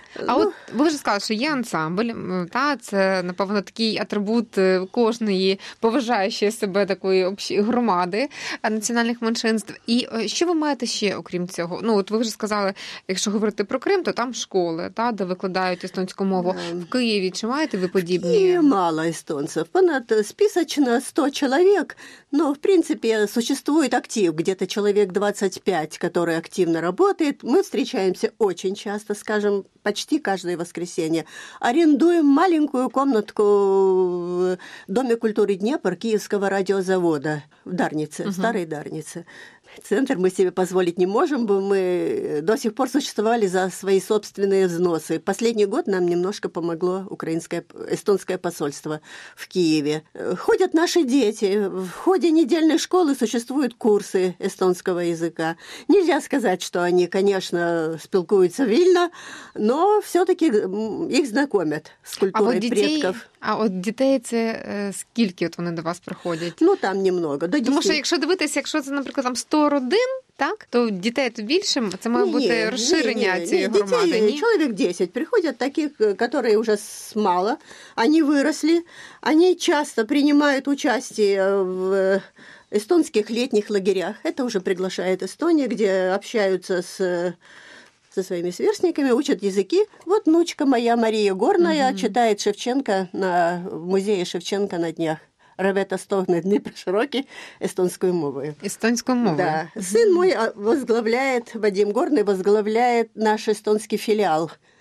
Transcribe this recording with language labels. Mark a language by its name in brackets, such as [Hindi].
[Ukrainian] А ну, от ви вже сказали, що є ансамбль, та, це, напевно, такий атрибут кожної поважаючої себе такої громади національних меншинств. І що ви маєте ще, окрім цього? Ну, от ви вже сказали, якщо говорити про Крим, то там школи, та, де викладають естонську мову. В Києві чи маєте ви подібні? В Києві мало естонців. Понад [Russian] списочно 100 человек, но, в принципе, существует актив, где-то человек 25, который активно работает. Мы встречаемся очень часто, скажем, почти каждое воскресенье. Арендуем маленькую комнатку в Доме культуры Днепр Киевского радиозавода в Дарнице, угу. Старой Дарнице. Центр мы себе позволить не можем, бо мы до сих пор существовали за свои собственные взносы. Последний год нам немножко помогло украинское, эстонское посольство в Киеве. Ходят наши дети. В ходе недельной школы существуют курсы эстонского языка. Нельзя сказать, что они, конечно, [Ukrainian] спілкуются вільно, [Russian] но все-таки их знакомят с культурой а вот предков. [Ukrainian] А от дітей це скільки от вони до вас приходять? [Russian] Ну, там немного. До 10. [Ukrainian] Тому що, якщо дивитися, якщо це, наприклад, там 100 родин, так, то дітей то більше, це має бути розширення цієї громади. Ні, дітей, ні? Чоловік 10 приходять, таких, які вже мало, вони виросли, вони часто приймають участь в естонських літніх лагерях. Це вже приглашає Естонія, де спілкуються з... [Russian] со своими сверстниками, учат языки. Вот внучка моя Мария Горная угу. читает Шевченко на музее Шевченко на днях. [Ukrainian] Ревета Стогне, Дніпро Широкий, [Russian] эстонскую мову. Эстонскую мову. Да. Сын мой возглавляет, Вадим Горный возглавляет наш эстонский филиал.